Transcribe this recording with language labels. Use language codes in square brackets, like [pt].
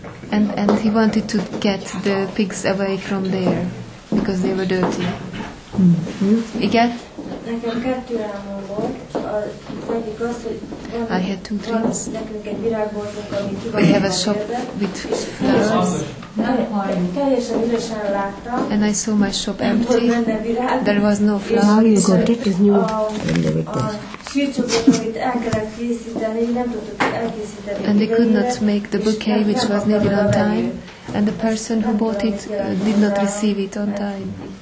[en] And he wanted to get the pigs away from there, because they were dirty. [hu] Igen? Nekem kettő álmom volt, az egyik az, hogy [en] van, I had 2 dreams. [hu] Nekünk egy virágboltunk, ami ki van. [en] We have a shop with flowers. [hu] Teljesen üresen láttam. [en] And I saw my shop empty. There was no flowers. How you got it? It's new. [hu] A sírcsokot, amit el kellett készíteni, nem tudtuk elkészíteni. [en] And they could not make the bouquet, which was needed on time. And the person who bought it did not receive it on time.